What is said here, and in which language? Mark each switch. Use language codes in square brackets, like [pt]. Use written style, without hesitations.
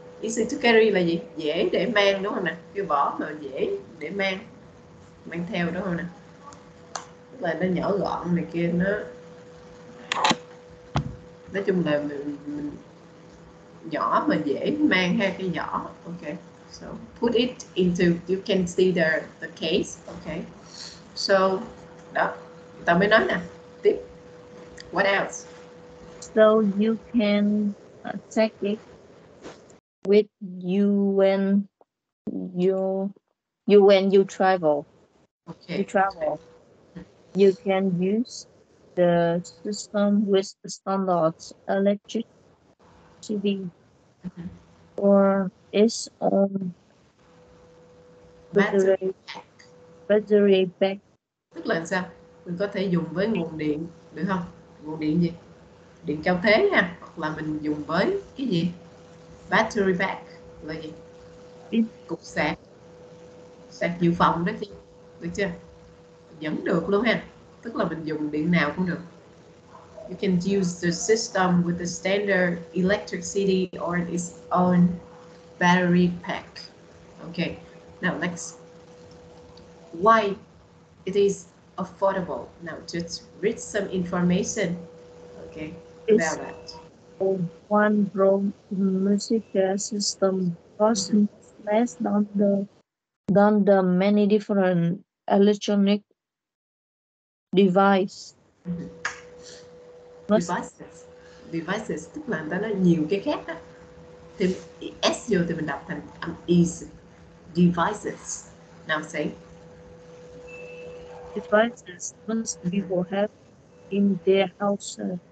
[vi] Easy to carry là gì? Dễ để mang đúng không nè? Cái vỏ mà dễ để mang. Mang theo đúng không nè? Tức là nó nhỏ gọn này kia nó. Nói chung là mình nhỏ mà dễ mang ha, cái vỏ. [en] Okay. So put it into, you can see the case. [vi] Okay. So đó, tao mới nói nè. Tiếp. [en] What else? So you can take it with you when you travel. Okay. You travel. You can use the system with the standard electricity, mm-hmm, or its own battery pack. [vi] Tức là sao? Mình có thể dùng với nguồn điện được không? Nguồn điện gì? Điện cao thế ha, hoặc là mình dùng với cái gì? Battery pack là gì? Cục sạc. Sạc dự phòng đó chứ. Được chưa? Vẫn được luôn ha. Tức là mình dùng điện nào cũng được. [en] You can use the system with the standard electricity or its own battery pack. Okay. Now next. Why it is affordable? Now just read some information. Okay. It's one broad music system costs, mm-hmm, less than the many different electronic devices. Mm-hmm. [vi] Devices, tức là nó nhiều cái khác đó. Thì S vô thì mình đọc thành is devices. [en] Now say. Devices most people have in their house.